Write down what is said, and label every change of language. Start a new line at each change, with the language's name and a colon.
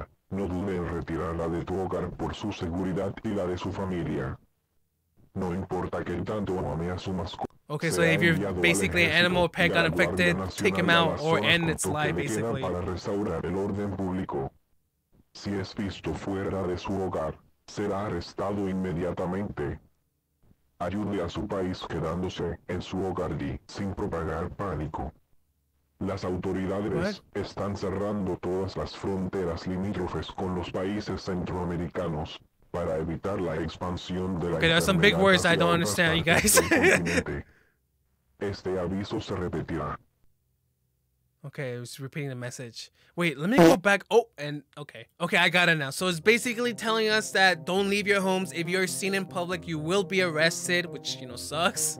Spanish: No dude en retirarla de tu hogar por su seguridad y la de su familia. No importa que tanto ame a su mascota.
English: Okay, so if you're basically an animal pet got infected, take him out or end its life, basically.
Spanish: Para restaurar el orden público. Si es visto fuera de su hogar, será arrestado inmediatamente. Ayude a su país quedándose en su hogar y sin propagar pánico. Las autoridades están cerrando todas las fronteras limítrofes con los países centroamericanos para evitar la expansión de la.
English: Okay, there are some big words I don't understand, you guys.
Spanish: Este aviso se repetirá.
English: Okay, it was repeating the message. Wait, let me go back. Oh, and okay. Okay, I got it now. So it's basically telling us that don't leave your homes. If you're seen in public, you will be arrested, which, you know, sucks.